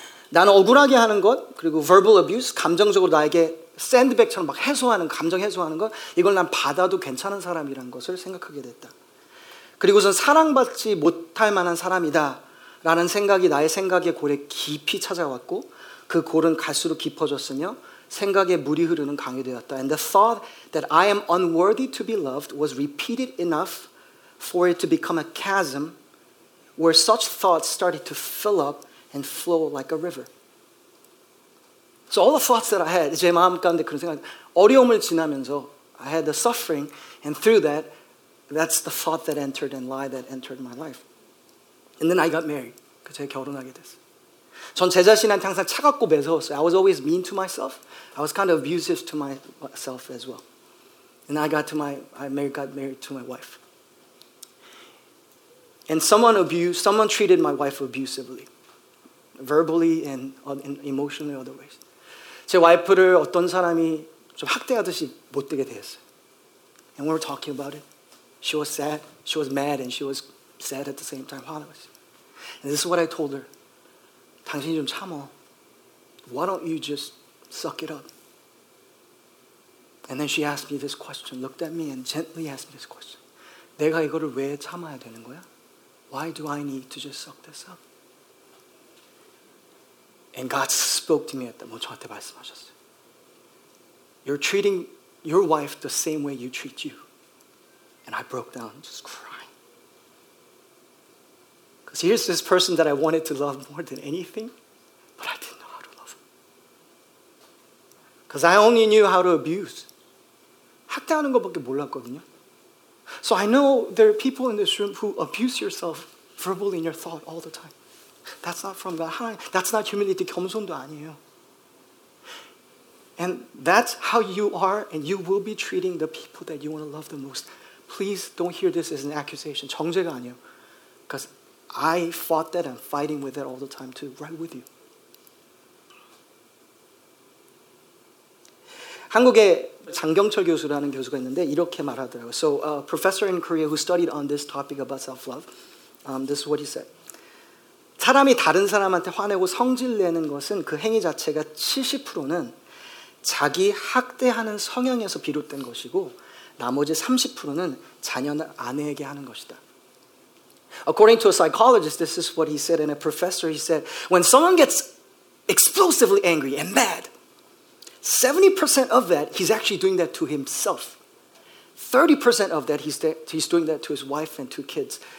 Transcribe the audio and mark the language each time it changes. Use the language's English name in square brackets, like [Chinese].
[Korean] 나는 억울하게 하는 것, 그리고 [English] verbal abuse, [Korean] 감정적으로 나에게 샌드백처럼 막 해소하는, 감정 해소하는 것, 이걸 난 받아도 괜찮은 사람이라는 것을 생각하게 됐다. 그리고선 사랑받지 못할 만한 사람이다 라는 생각이 나의 생각의 골에 깊이 찾아왔고 그 골은 갈수록 깊어졌으며 생각에 물이 흐르는 강이 되었다. [English] And the thought that I am unworthy to be loved was repeated enough for it to become a chasm where such thoughts started to fill up and flow like a river. So all the thoughts that I had, [Korean] 제 마음 가운데 그런 생각, 어려움을 지나면서 [English] I had the suffering and through that, that's the thought that entered and lie that entered my life. And then I got married. [Korean] 그 제가 결혼하게 됐어요. 전 제 자신한테 항상 차갑고 매서웠어요. [English] I was always mean to myself. I was kind of abusive to myself as well. And I got married to my wife. And someone treated my wife abusively. Verbally and emotionally other ways. [Korean] 제 와이프를 어떤 사람이 좀 학대하듯이 못 되게 됐어요. [English] And we were talking about it. She was sad, she was mad, and she was sad at the same time. And this is what I told her. [Korean] 당신이 좀 참어. [English] Why don't you just suck it up? And then she asked me this question, looked at me and gently asked me this question. [Korean] 내가 이거를 왜 참아야 되는 거야? [English] Why do I need to just suck this up? And God spoke to me at that moment. [Korean] 저한테 말씀하셨어요. [English] You're treating your wife the same way you treat you. And I broke down, just crying. Because here's this person that I wanted to love more than anything, but I didn't know how to love him. Because I only knew how to abuse. [Korean] 학대하는 것밖에 몰랐거든요. [English] So I know there are people in this room who abuse yourself verbally in your thought all the time. That's not from God. That's not humility. [Korean] 겸손도 아니에요. [English] And that's how you are, and you will be treating the people that you want to love the most. Please don't hear this as an accusation. [Korean] 정죄가 아니에요. [English] Because I fought that and fighting with it all the time too, right with you. [Korean] 한국에 장경철 교수라는 교수가 있는데 이렇게 말하더라고요. [English] So a professor in Korea who studied on this topic about self-love, this is what he said. [Korean] 사람이 다른 사람한테 화내고 성질 내는 것은 그 행위 자체가 70%는 자기 학대하는 성향에서 비롯된 것이고 나머지 30%는 자녀는 아내에게 하는 것이다. [English] According to a psychologist, this is what he said, and a professor, he said, when someone gets explosively angry and mad, 70% of that, he's actually doing that to himself. 30% of that, he's doing that to his wife and two kids.